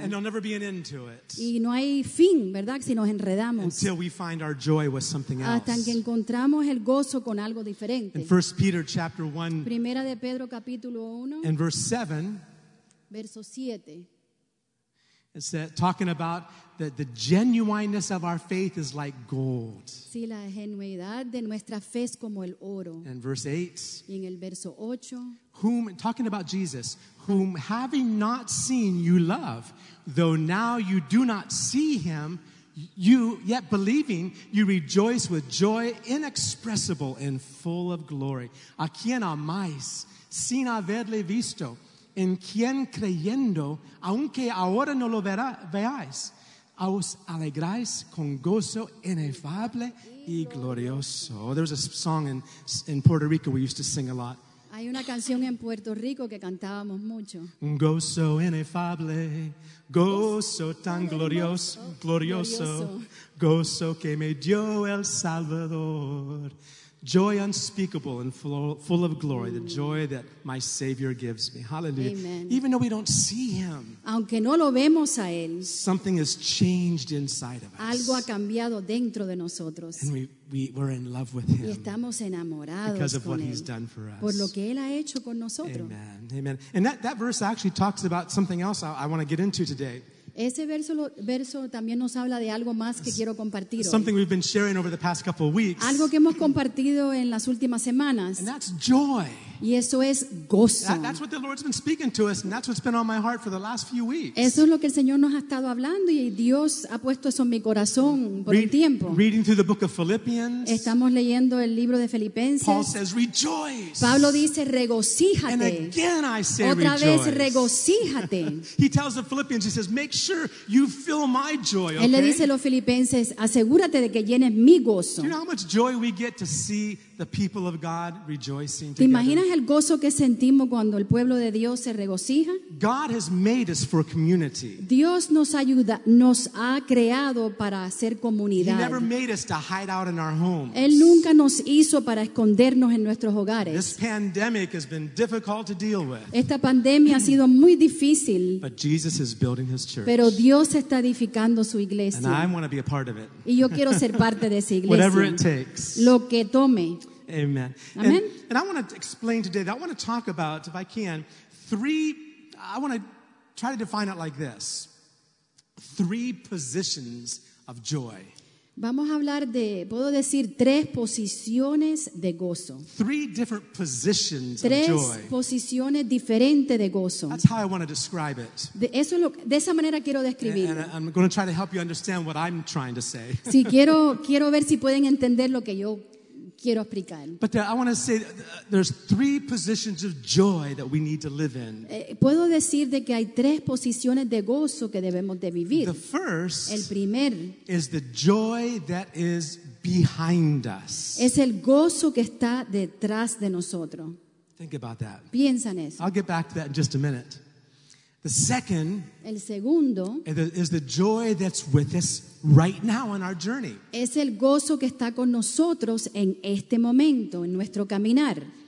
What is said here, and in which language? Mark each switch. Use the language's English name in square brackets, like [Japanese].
[English] And there'll never be an end to it. [Spanish] Y no hay fin, ¿verdad? Si nos enredamos. [English] Until we find our joy with something else. [Spanish] Hasta que encontramos el gozo con algo diferente. [English] In 1 Peter chapter 1. [Spanish] Primera de Pedro capítulo 1. [English] In verse 7. [Spanish] Verso 7. [English] It's talking about that the genuineness of our faith is like gold. [Spanish] Sí, la genuidad de nuestra fe es como el oro. [English] And verse 8. [Spanish] Y en el verso 8. [English] Whom, talking about Jesus, whom having not seen you love, though now you do not see him, you yet believing, you rejoice with joy inexpressible and full of glory. [Spanish] A quien amáis, sin haberle visto, en quien creyendo, aunque ahora no lo veáis, os alegráis con gozo inefable y glorioso. [English] There's a song in Puerto Rico we used to sing a lot. [Spanish] Hay una canción en Puerto Rico que cantábamos mucho. Gozo inefable, gozo tan glorioso, gozo que me dio el Salvador. [English] joy unspeakable and full of glory, the joy that my Savior gives me. Hallelujah. Amen. Even though we don't see Him, [Spanish] aunque no lo vemos a Él, [English] something has changed inside of us. [Spanish] Algo ha cambiado dentro de nosotros. [English] And we're in love with Him [Spanish] y estamos enamorados [English] because of [Spanish] con [English] what [Spanish] él, [English] He's done for us. [Spanish] Por lo que él ha hecho con nosotros. [English] Amen. Amen. And that verse actually talks about something else I want to get into today. [Spanish] Ese verso también nos habla de algo más que quiero compartir. [English] Something we've been sharing over the past couple of weeks. [Spanish] Algo que hemos compartido en las últimas semanas. [English] And that's joy. [Spanish] Y eso es gozo. [English] That's what the Lord's been speaking to us, and that's what's been on my heart for the last few weeks. [Spanish] Eso es lo que el Señor nos ha estado hablando, y Dios ha puesto eso en mi corazón por un tiempo. [English] Reading through the book of Philippians. [Spanish] Estamos leyendo el libro de Filipenses. [English] Paul says, "Rejoice." [Spanish] Pablo dice, "Regocíjate." [English] And again, I say, [Spanish] otra [English] rejoice. [Spanish] Vez, regocíjate. [English] He tells the Philippians, he says, "Make sure you fill my joy." Okay? [Spanish] Él le dice a los Filipenses, asegúrate de que llenes mi gozo. [English] Do you know how much joy we get to see the people of God rejoicing together? [Spanish] ¿Te imaginas el gozo que sentimos cuando el pueblo de Dios se regocija? [English] God has made us for community. [Spanish] Dios nos ayuda, nos ha creado para ser comunidad. [English] He never made us to hide out in our homes. [Spanish] Él nunca nos hizo para escondernos en nuestros hogares. [English] This pandemic has been difficult to deal with. [Spanish] Esta pandemia ha sido muy difícil. [English] But Jesus is building His church. [Spanish] Pero Dios está edificando su iglesia. [English] And I want to be a part of it. [Spanish] Y yo quiero ser parte de esa iglesia. [English] Whatever it takes. [Spanish] Lo que tome. [English] Amen. Amen. And I want to explain today that I want to talk about, if I can, I want to try to define it like this. Three positions of joy. [Spanish] Vamos a hablar de, puedo decir, tres posiciones de gozo. [English] Three different positions [Spanish] tres [English] of joy. [Spanish] Tres posiciones diferentes de gozo. [English] That's how I want to describe it. [Spanish] De esa manera quiero describirlo. [English] And I'm going to try to help you understand what I'm trying to say. [Spanish] Sí, quiero ver si pueden entender lo que yo quiero explicar. [English] But I want to say there's three positions of joy that we need to live in. [Spanish] Puedo decir de que hay tres posiciones de gozo que debemos de vivir. [English] The first, [Spanish] el primer, [English] is the joy that is behind us. [Spanish] Es el gozo que está detrás de nosotros. [English] Think about that. [Spanish] Piensa en eso. [English] I'll get back to that in just a minute. The second, [Spanish] el segundo, [English] is the joy that's with us right now on our journey. [Spanish] Es el gozo que está con nosotros en este momento, en nuestro caminar.